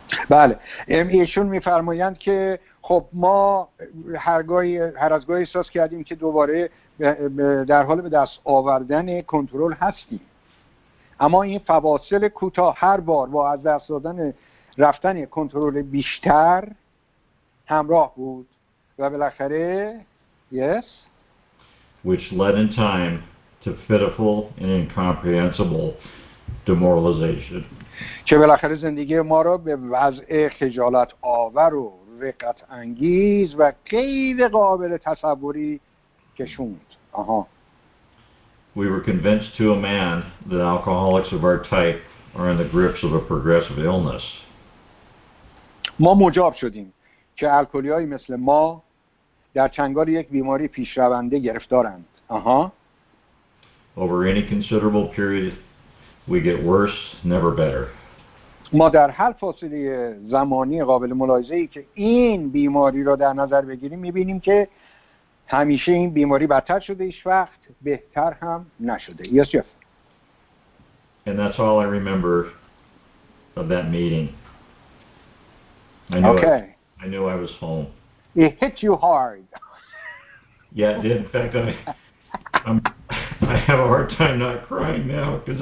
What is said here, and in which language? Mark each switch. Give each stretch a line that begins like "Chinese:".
Persian: بله، ایشون میفرمایند که خب ما هر از گاهی احساس کردیم که دوباره در حال به دست آوردن کنترل هستیم، اما این فواصل کوتاه هر بار با از دست دادن رفتن کنترل بیشتر همراه بود و بالاخره
English: yes which led in time to pitiful and incomprehensible demoralization.
Persian: چه بالاخره زندگی ما را به وضع خجالت آور و رقت انگیز و غیر قابل تصوری کشوند. آها.
English: We were convinced to a man that alcoholics of our type are in the grips of a progressive illness.
Persian: ما مجاب شدیم که الکلی‌های مثل ما در چنگال یک بیماری پیشرونده گرفتارند. آها.
English: Over any considerable period we get worse, never better.
Persian: ما در هر فاصله زمانی قابل ملاحظه‌ای که این بیماری را در نظر بگیریم می‌بینیم که همیشه این بیماری بدتر شده، هیچ وقت بهتر هم نشده.
English: Yes, Jeff. And that's all I remember of that meeting. I knew I was home. It hit you hard. Yeah, it did. In fact, I have a hard time not crying now because